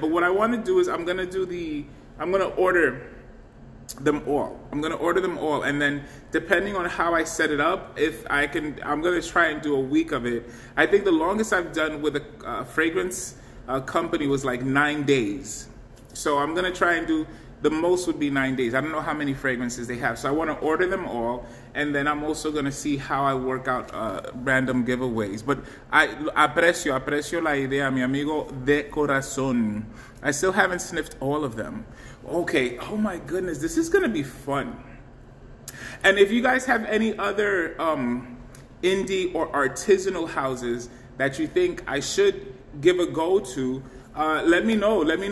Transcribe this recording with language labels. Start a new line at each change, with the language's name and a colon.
English: But what I want to do is I'm going to order them all, and then depending on how I set it up, if I can, I'm going to try and do a week of it. I think the longest I've done with a fragrance company was like 9 days. So I'm going to try and do, the most would be 9 days. I don't know how many fragrances they have. So I want to order them all, and then I'm also going to see how I work out random giveaways. But I
Spanish: aprecio la idea, mi amigo de corazón.
English: I still haven't sniffed all of them. Okay, oh my goodness, this is gonna be fun. And if you guys have any other indie or artisanal houses that you think I should give a go to, let me know.